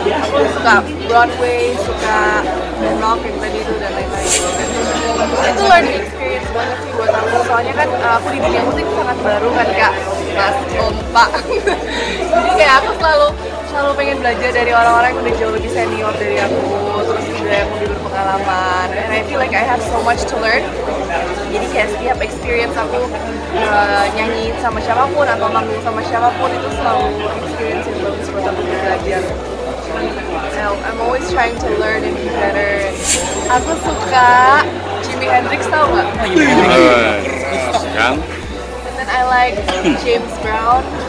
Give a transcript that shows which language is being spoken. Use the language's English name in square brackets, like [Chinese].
[Indonesian] Aku suka Broadway, suka rock yang tadi itu dan lain-lain. Itu [English] learning experience [Indonesian] banget sih buat aku. Soalnya kan aku di dunia musik sangat baru kan kak, pas lompat. Jadi kayak aku selalu pengen belajar dari orang-orang yang udah jauh lebih senior dari aku. Terus juga yang lebih berpengalaman. [English] And I feel like I have so much to learn. [Indonesian] Jadi kayak setiap experience aku nyanyi sama siapapun atau manggung sama siapapun itu selalu experience yang bagus buat aku belajar. [English] I'm always trying to learn and be better. [Indonesian] Aku suka Jimi Hendrix, tau gak? Kan? [English] And then I like James Brown.